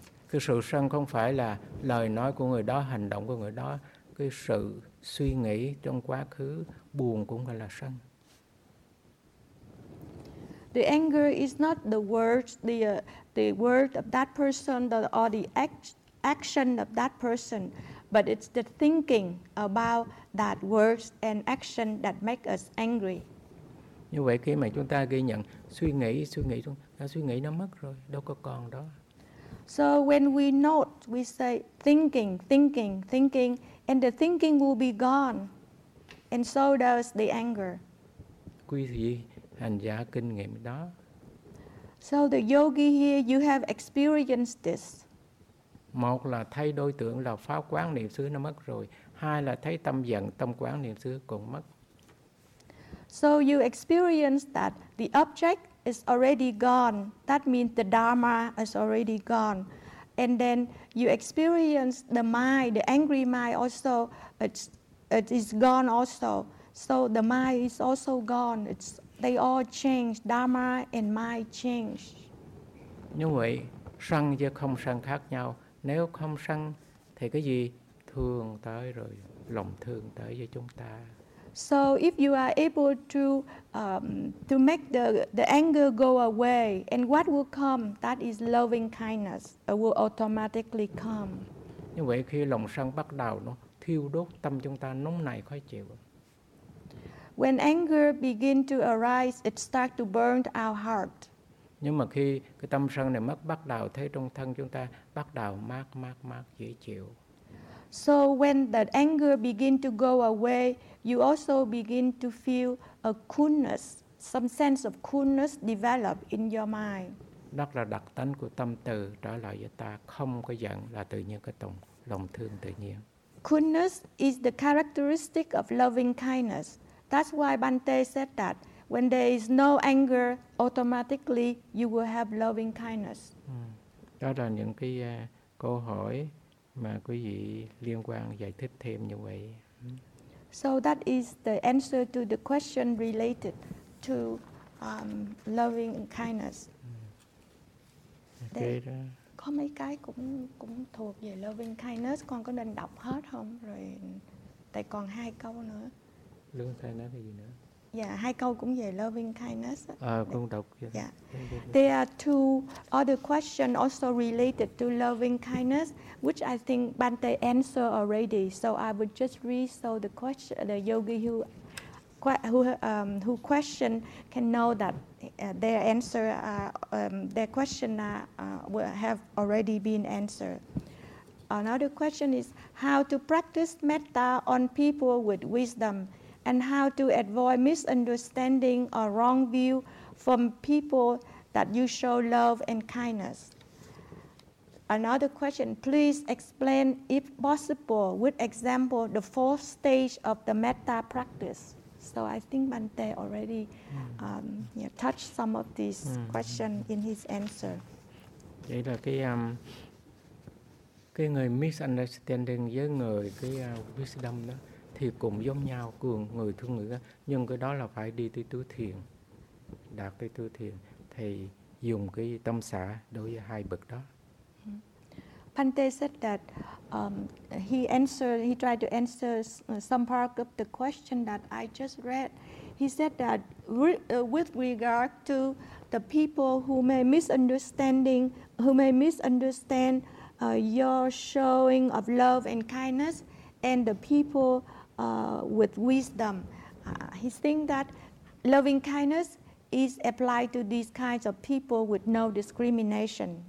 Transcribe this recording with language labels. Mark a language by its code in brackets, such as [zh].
[vi] Cái sự sân không phải là lời nói của người đó, hành động của người đó, cái sự suy nghĩ trong quá khứ buồn cũng gọi là sân. [en] The anger is not the words, the word of that person, or the action of that person, but it's the thinking about that words and action that make us angry. [vi] Như vậy khi mà chúng ta ghi nhận suy nghĩ nó mất rồi, đâu có còn đó. [en] So when we note, we say thinking, and the thinking will be gone, and so does the anger. [vi] Quý vị hành giả kinh nghiệm đó. [en] So the yogi here, you have experienced this. [vi] Một là thay đối tượng là pháp quán niệm xứ nó mất rồi. Hai là thấy tâm giận, tâm quán niệm xứ cũng mất. [en] So you experience that the object is already gone. That means the Dharma is already gone. And then you experience the mind, the angry mind also, it is gone also. So the mind is also gone. They all change. Dharma and mind change. [vi] Như vậy, sân và không sân khác nhau. Nếu không sân, thì cái gì? Thương tới rồi, lòng thương tới với chúng ta. [en] So if you are able to make the anger go away, and what will come, that is loving kindness, it will automatically come. [vi] Như vậy khi lòng sân bắt đầu nó thiêu đốt tâm chúng ta nóng nảy khó chịu. [en] When anger begin to arise, it start to burn our heart. [vi] Nhưng mà khi cái tâm sân này mất bắt đầu thấy trong thân chúng ta bắt đầu mát dễ chịu. [en] So when that anger begin to go away, you also begin to feel a coolness, some sense of coolness develop in your mind. [vi] Đó là đặc tính của tâm từ trở lại với ta, không có giận, là tự nhiên cái tùng, lòng thương tự nhiên. [en] Coolness is the characteristic of loving kindness. That's why Bhante said that when there is no anger, automatically you will have loving kindness. [vi] Đó là những cái câu hỏi mà quý vị liên quan giải thích thêm như vậy. [en] So that is the answer to the question related to loving kindness. Okay. [vi] Đó. Có mấy cái cũng thuộc về loving kindness, con có nên đọc hết không? Rồi tại còn hai câu nữa. Loving kindness cái gì nữa? Dạ, hai câu cũng về loving kindness. Con đọc. Dạ. [en] There are two other questions also related to loving kindness, which I think Bhante answered already. So I would just read so the question, the yogi who question can know that their answer, their question will have already been answered. Another question is how to practice metta on people with wisdom, and how to avoid misunderstanding or wrong view from people that you show love and kindness. Another question, please explain, if possible, with example, the fourth stage of the metta practice. So I think Bhante already touched some of these questions in his answer. [vi] Vậy là cái người misunderstanding với người cái wisdom đó thì cũng giống nhau, cường người thương người, nhưng cái đó là phải đi tới tứ thiền, đạt tới tứ thiền thì dùng cái tâm xả đối với hai bậc đó. [en] Bhante said that he tried to answer some part of the question that I just read. He said that with regard to the people who may misunderstand your showing of love and kindness, and the people with wisdom, he think that loving kindness is applied to these kinds of people with no discrimination.